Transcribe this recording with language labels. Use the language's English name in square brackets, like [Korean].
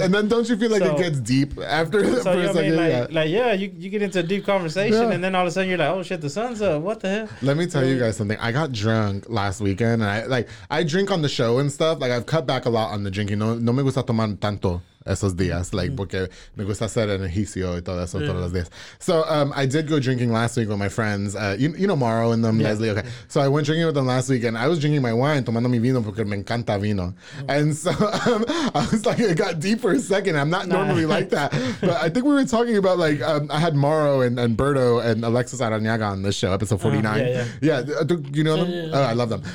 [English] And then don't you feel it gets deep after the first second? You get into a deep conversation, and then all of a sudden you're like, oh shit, the sun's up. What the hell? Let me tell you guys something. I got drunk last weekend, and I drink on the show and stuff. I've cut back a lot on the drinking. [Spanish] No me gusta tomar tanto esos días, porque me gusta hacer energicio y todo eso todos los días. [English] So I did go drinking last week with my friends, you know, Mauro and them, Leslie. Okay. So I went drinking with them last week, and I was drinking my wine, [Spanish] tomando mi vino, porque me encanta vino. [English] And so I was it got deep for a second. I'm not normally like that. But I think we were talking about, I had Mauro and Berto and Alexis Arañaga on this show, episode 49. You know them? I love them.